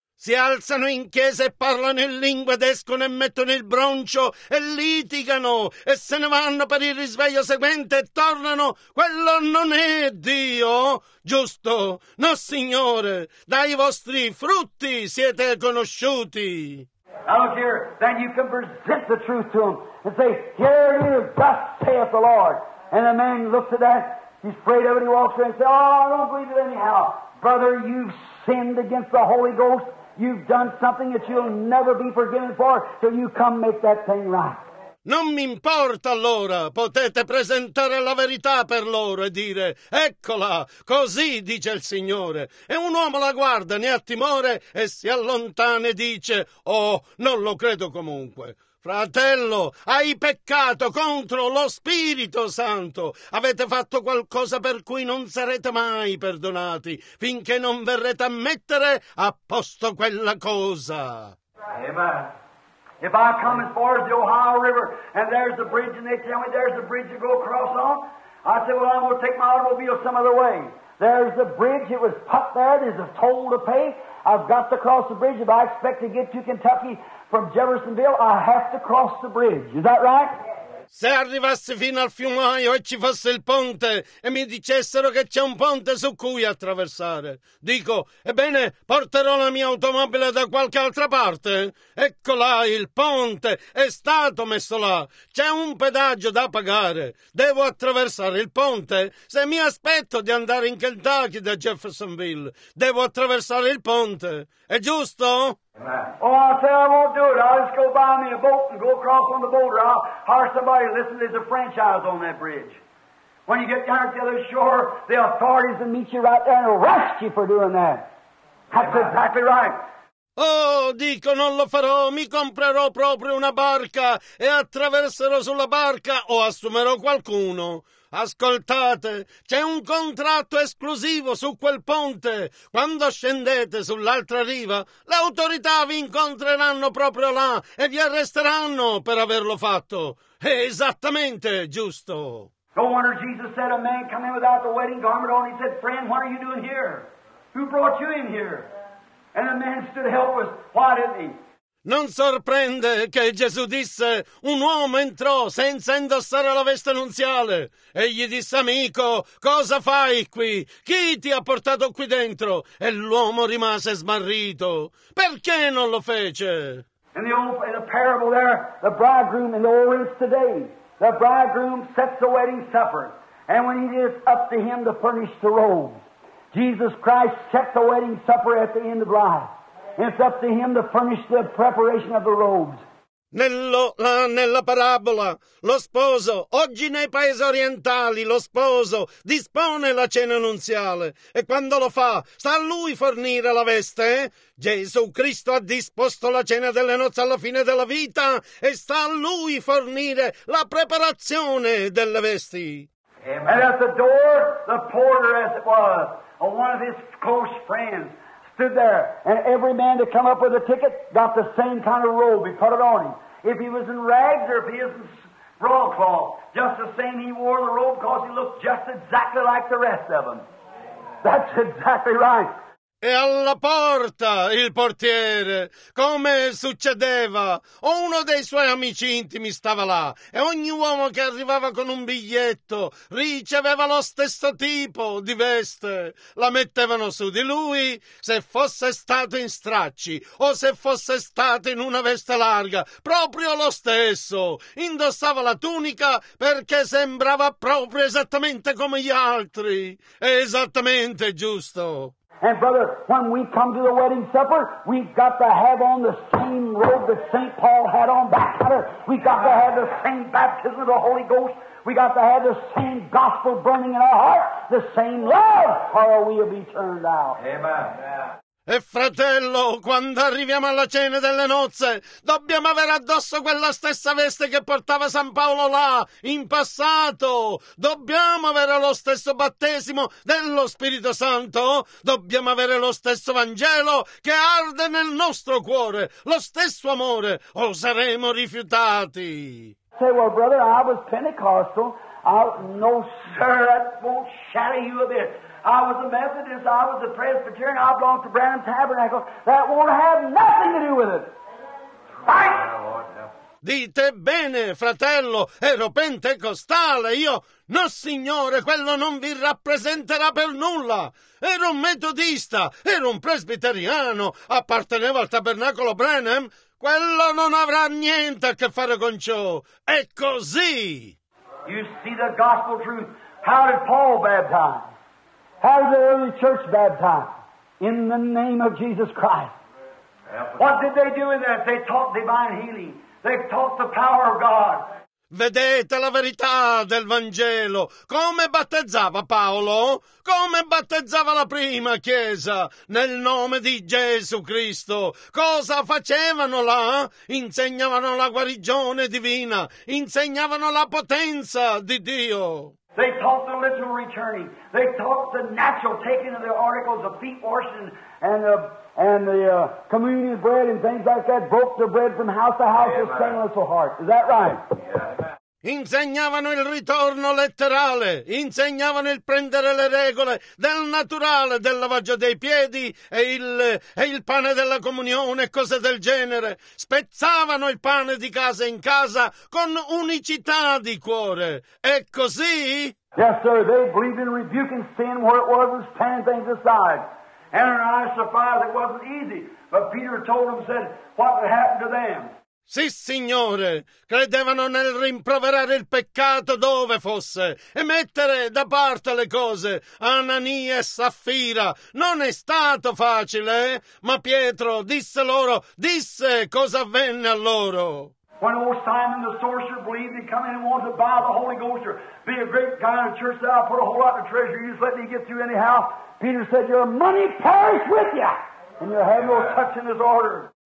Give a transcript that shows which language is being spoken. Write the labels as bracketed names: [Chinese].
[Italian] Si alzano in chiesa e parlano in lingua ed escono e mettono il broncio e litigano e se ne vanno per il risveglio seguente e tornano. Quello non è Dio, giusto? No, Signore, dai vostri frutti siete conosciuti. [English] Now look here, then you can present the truth to them and say, here it is, thus saith the Lord. And the man looks at that, he's afraid of it, he walks in and says, oh, I don't believe it anyhow. Brother, you've sinned against the Holy Ghost. You've done something that you'll never be forgiven for till you come make that thing right. [Italian] Non mi importa allora, potete presentare la verità per loro e dire, eccola, così dice il Signore. E un uomo la guarda, ne ha timore e si allontana e dice, oh, non lo credo comunque. Fratello, hai peccato contro lo Spirito Santo. Avete fatto qualcosa per cui non sarete mai perdonati finché non verrete a mettere a posto quella cosa. Amen. [English] If I come as far as the Ohio River and there's a bridge and they tell me there's a bridge to go across on, I say, well, I'm going to take my automobile some other way. There's a bridge. It was put there. There's a toll to pay. I've got to cross the bridge. If I expect to get to Kentucky from Jeffersonville, I have to cross the bridge. Is that right? [Italian] Se arrivassi fino al fiumaio e ci fosse il ponte e mi dicessero che c'è un ponte su cui attraversare, dico, ebbene, porterò la mia automobile da qualche altra parte. Ecco là il ponte, è stato messo là, c'è un pedaggio da pagare, devo attraversare il ponte. Se mi aspetto di andare in Kentucky da Jeffersonville, devo attraversare il ponte, è giusto? [English] Oh, I say I won't do it. I'll just go buy me a boat and go across on the boat, or I'll hire somebody. Listen, there's a franchise on that bridge. When you get down to the other shore, the authorities will meet you right there and arrest you for doing that. That's Amen. Exactly right. [Italian] Oh, dico, non lo farò, mi comprerò proprio una barca e attraverserò sulla barca o assumerò qualcuno. Ascoltate, c'è un contratto esclusivo su quel ponte. Quando scendete sull'altra riva, le autorità vi incontreranno proprio là e vi arresteranno per averlo fatto. È esattamente giusto. [English] No wonder Jesus said a man come in without the wedding garment on. He said, friend, what are you doing here? Who brought you in here? And a man stood helpless. Why didn't he? [Italian] Non sorprende che Gesù disse, un uomo entrò senza indossare la veste nuziale. Egli disse, amico, cosa fai qui? Chi ti ha portato qui dentro? E l'uomo rimase smarrito. Perché non lo fece? [English] In the parable there, the bridegroom in the Orient today, the bridegroom sets the wedding supper. And when it is up to him to furnish the robes, Jesus Christ set the wedding supper at the end of life. It's up to him to furnish the preparation of the robes. [Italian] Nella parabola, lo sposo, oggi nei paesi orientali, lo sposo dispone la cena nuziale. E quando lo fa, sta a lui fornire la veste? Gesù Cristo ha disposto la cena delle nozze alla fine della vita e sta a lui fornire la preparazione delle vesti. Amen. [English] And at the door, the porter, as it was, or one of his close friends, stood there, and every man that come up with a ticket got the same kind of robe. He put it on him. If he was in rags or if he was in broadcloth, just the same he wore the robe because he looked just exactly like the rest of them. That's exactly right. [Italian] E alla porta il portiere, come succedeva, o uno dei suoi amici intimi stava là, e ogni uomo che arrivava con un biglietto riceveva lo stesso tipo di veste, la mettevano su di lui, se fosse stato in stracci o se fosse stato in una veste larga, proprio lo stesso, indossava la tunica perché sembrava proprio esattamente come gli altri, esattamente giusto. [English] And brother, when we come to the wedding supper, we've got to have on the same robe that St. Paul had on back there. We've got to have the same baptism of the Holy Ghost. We've got to have the same gospel burning in our heart, the same love, or we'll be turned out. Amen. [Italian] E fratello, quando arriviamo alla cena delle nozze, dobbiamo avere addosso quella stessa veste che portava San Paolo là, in passato. Dobbiamo avere lo stesso battesimo dello Spirito Santo. Dobbiamo avere lo stesso Vangelo che arde nel nostro cuore, lo stesso amore, o saremo rifiutati. [English] Say, well, brother, I was Pentecostal. No, sir, that won't shatter you a bit. I was a Methodist, I was a Presbyterian, I belonged to Branham Tabernacle. That won't have nothing to do with it. Right? [Italian] Dite bene, fratello, ero pentecostale, io, no signore, quello non vi rappresenterà per nulla. Ero un metodista, ero un presbiteriano, appartenevo al tabernacolo Branham. Quello non avrà niente a che fare con ciò. È così. [English] You see the gospel truth. How did Paul baptize? How did the early church baptize? In the name of Jesus Christ. What did they do in that? They taught divine healing. They taught the power of God. [Italian] Vedete la verità del Vangelo. Come battezzava Paolo? Come battezzava la prima chiesa? Nel nome di Gesù Cristo. Cosa facevano là? Insegnavano la guarigione divina. Insegnavano la potenza di Dio. [English] They taught the literal returning. They taught the natural taking of the articles of feet washing and the communion bread and things like that. Broke the bread from house to house with sinless heart. Is that right? [Italian] Insegnavano il ritorno letterale, insegnavano il prendere le regole del naturale, del lavaggio dei piedi e il pane della comunione e cose del genere. Spezzavano il pane di casa in casa con unicità di cuore. È così? [English] Yes, sir, they believed in rebuking sin where it was and standing things aside. Ananias and Sapphira, it wasn't easy, but Peter told them, said, what would happen to them? [Italian] Sì, Signore, credevano nel rimproverare il peccato dove fosse e mettere da parte le cose. Anania e Saffira, non è stato facile, ma Pietro disse loro, disse cosa avvenne a loro. [English] When old Simon the sorcerer believed he'd come in and wanted to buy the Holy Ghost or be a great guy in a church that I put a whole lot of treasure, you just let me get through anyhow. Peter said, your money perish with you, and you have no touch in his order.